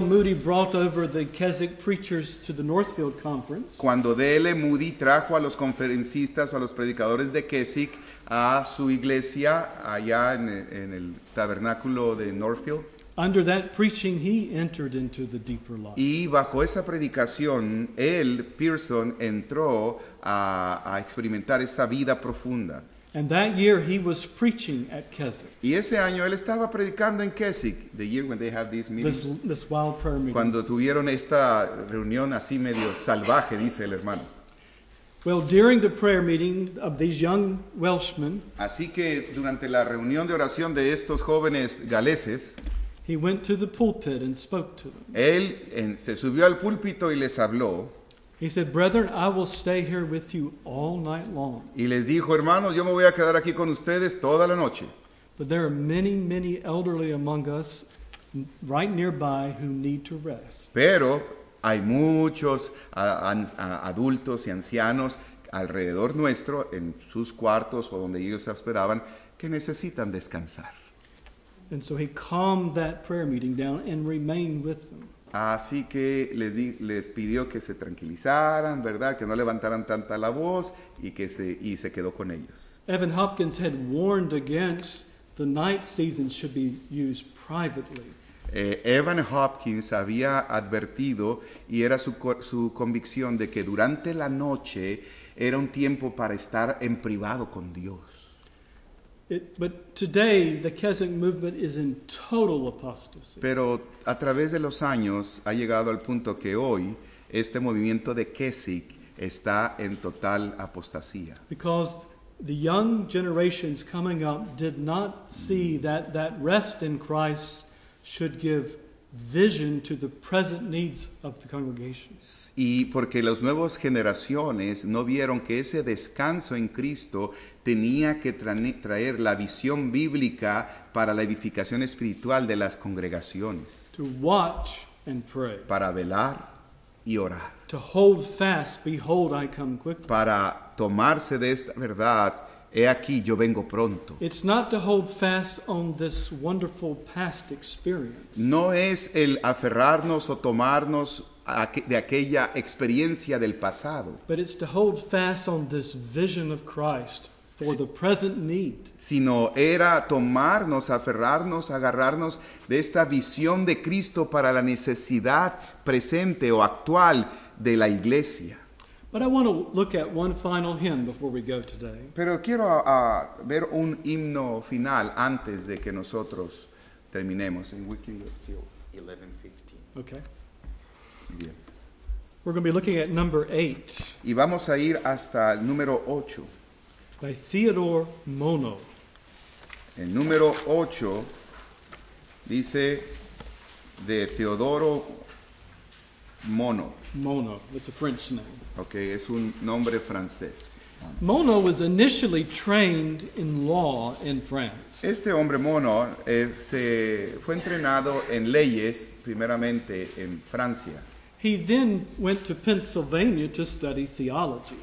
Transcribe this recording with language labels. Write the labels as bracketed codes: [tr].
[en] Moody brought over the Keswick preachers to the Northfield Conference. [es] Cuando D.L. Moody trajo a los conferencistas o a los predicadores de Keswick a su iglesia allá en el tabernáculo de Northfield. [en] Under that preaching, he entered into the deeper life. [es] Y bajo esa predicación, él, Pearson, entró a experimentar esta vida profunda. [en] And that year he was preaching at Keswick. [es] Y ese año él estaba predicando en Keswick. [en] The year when they had these meetings. This wild prayer meeting. [es] Cuando tuvieron esta reunión así medio salvaje, dice el hermano. [en] Well, during the prayer meeting of these young Welshmen. [es] Así que durante la reunión de oración de estos jóvenes galeses. [en] He went to the pulpit and spoke to them. [es] Él se subió al púlpito y les habló. [en] He said, "Brethren, I will stay here with you all night long." [es] Y les dijo, hermanos, yo me voy a quedar aquí con ustedes toda la noche. [en] But there are many, many elderly among us, right nearby, who need to rest. [es] Pero hay muchos adultos y ancianos alrededor nuestro, en sus cuartos o donde ellos se hospedaban, que necesitan descansar. [en] And so he calmed that prayer meeting down and remained with them. [es] Así que les pidió que se tranquilizaran, ¿verdad? Que no levantaran tanta la voz y se quedó con ellos. [en] Evan Hopkins had warned against the night season should be used privately. [es] Evan Hopkins había advertido y era su convicción de que durante la noche era un tiempo para estar en privado con Dios. [en] But today, the Keswick movement is in total apostasy. [es] Pero a través de los años, ha llegado al punto que hoy, este movimiento de Keswick está en total apostasía. [en] Because the young generations coming up did not see that rest in Christ should give vision to the present needs of the congregation. [es] Y porque las nuevas generaciones no vieron que ese descanso en Cristo tenía que traer la visión bíblica para la edificación espiritual de las congregaciones. [en] To watch and pray. [es] Para velar y orar. [en] To hold fast, behold, I come quickly. [es] Para tomarse de esta verdad, he aquí, yo vengo pronto. [en] It's not to hold fast on this wonderful past experience. [es] No es el aferrarnos o tomarnos de aquella experiencia del pasado. [en] But it's to hold fast on this vision of Christ. For the present need. [es] Sino era tomarnos, aferrarnos, agarrarnos de esta visión de Cristo para la necesidad presente o actual de la iglesia. [en] But I want to look at one final hymn before we go today. [es] Pero quiero ver un himno final antes de que nosotros terminemos. En Wiki 11:15. Okay. Bien. [en] We're going to be looking at number 8. [es] Y vamos a ir hasta el número 8. [en] By Theodore Mono. [es] El número 8 dice de Teodoro Mono. [en] Mono, that's a French name. [es] Okay, es un nombre francés. [en] Mono was initially trained in law in France. [es] Este hombre Mono fue entrenado en leyes primeramente en Francia. [en] He then went to Pennsylvania to study theology.